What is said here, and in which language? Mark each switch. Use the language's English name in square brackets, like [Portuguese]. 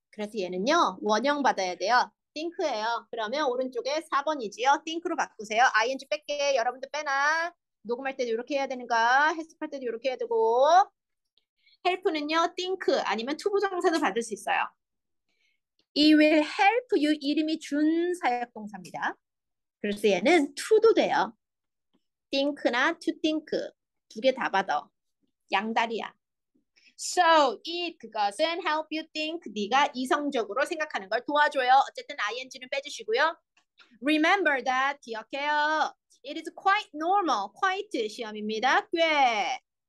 [Korean] 그래서 얘는요, 원형 받아야 돼요. think예요. 그러면 오른쪽에 4번이지요. think로 바꾸세요. ing 뺄게. 여러분도 빼놔. 녹음할 때도 이렇게 해야 되니까, 해석할 때도 이렇게 해야 되고. help는요, think 아니면 to 부정사도 받을 수 있어요. [English] it will help you [Korean] 이름이 준사역동사입니다. 그래서 얘는 to도 돼요. think나 to think 두개다 받아. 양다리야. [English] So, it [Korean] 그것은 [English] help you think. [Korean] 네가 이성적으로 생각하는 걸 도와줘요. 어쨌든 ing는 빼주시고요. [English] Remember that. [Korean] 기억해요. [English] It is quite normal. [Korean] Quite 시험입니다. 꽤.